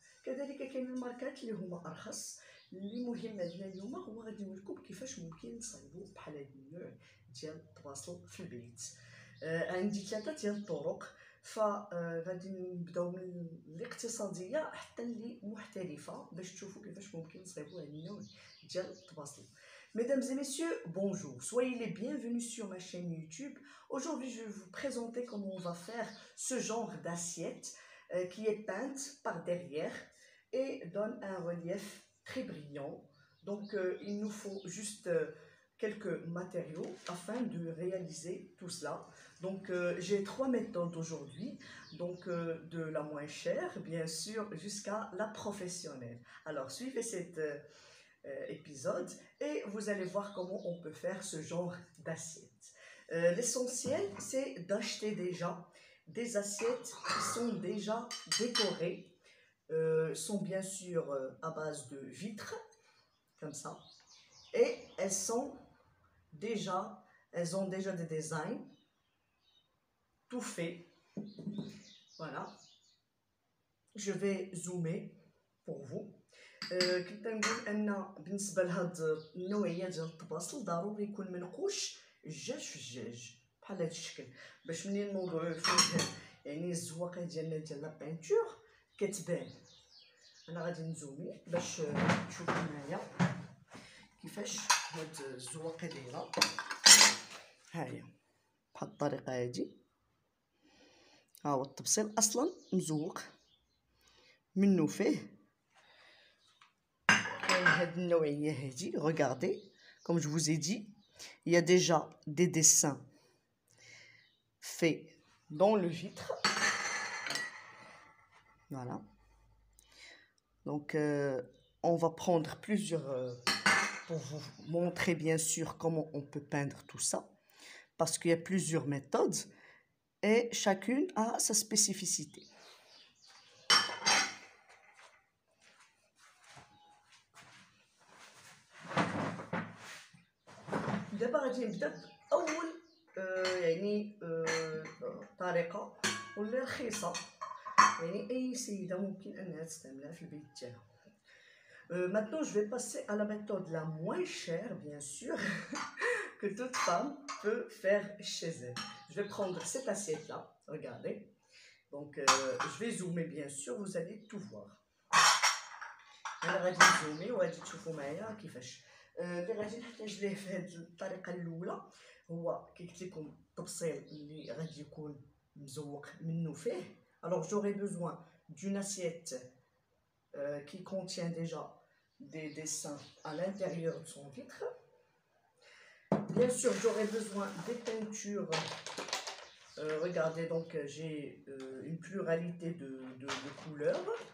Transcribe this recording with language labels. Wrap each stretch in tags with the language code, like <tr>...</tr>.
<ar>كذلك كاين الماركات اللي هما ارخص. اللي مهم عندنا اليوم هو غادي نوري لكم كيفاش ممكن نصايبوا بحال هذا النوع ديال البواسو في البيت. عندي ثلاثه ديال الطرق، فغادي نبداو من الاقتصاديه حتى اللي محترفه باش تشوفوا كيفاش ممكن نصايبوا هذا النوع ديال الطباسل.</ar> <fr>Mesdames et messieurs, bonjour. Soyez les bienvenus sur ma chaîne YouTube. Aujourd'hui, je vais vous présenter comment on va faire ce genre d'assiette qui est peinte par derrière et donne un relief très brillant. Donc, il nous faut juste quelques matériaux afin de réaliser tout cela. Donc, j'ai trois méthodes aujourd'hui, donc de la moins chère, bien sûr, jusqu'à la professionnelle. Alors, suivez cet épisode et vous allez voir comment on peut faire ce genre d'assiettes. L'essentiel, c'est d'acheter déjà des assiettes qui sont déjà décorées, sont bien sûr à base de vitre, comme ça, et elles sont déjà, elles ont déjà des designs, tout fait. Voilà, je vais zoomer pour vous.</fr> <ar>كنت نقول ان بالنسبه لهاد النوعيه ديال الطباسل ضروري يكون منقوش جاج في الجاج بحال هذا الشكل، باش ملي نوضعو فيه يعني الزواقه ديالنا ديال لابانتور كتبان. انا غادي نزومي باش تشوفو معايا كيفاش هاد الزواقه دايره. هاهي بحال الطريقه هادي، هاهو الطبسيل اصلا مزوق منو فيه هذه النوعيه هذه.</ar> <fr>regardez comme je vous ai dit il y a déjà des dessins faits dans le vitre. voilà donc on va prendre plusieurs pour vous montrer bien sûr comment on peut peindre tout ça, parce qu'il y a plusieurs méthodes et chacune a sa spécificité.</fr> <ar>دابا غادي نبدا باول يعني طريقه ولا رخيصه، يعني اي سيده ممكن انها تستعملها في البيت تاعها.</ar> <fr>maintenant je vais passer à la méthode la moins chère bien sûr que toute femme peut faire chez elle. je vais prendre cette assiette là, regardez. donc je vais zoomer bien sûr, vous allez tout voir.</fr> <ar>انا غادي نزومي وغادي تشوفوا معايا كيفاش اللي غادي نحتاج ليه في هذه الطريقه الاولى. هو كي قلت لكم الطبسيل اللي غادي يكون مزوق منه فيه.</ar> <fr>alors j'aurai besoin d'une assiette qui contient déjà des dessins à l'intérieur de son vitre. bien sûr j'aurai besoin des peintures. regardez donc j'ai une pluralité de couleurs.</fr>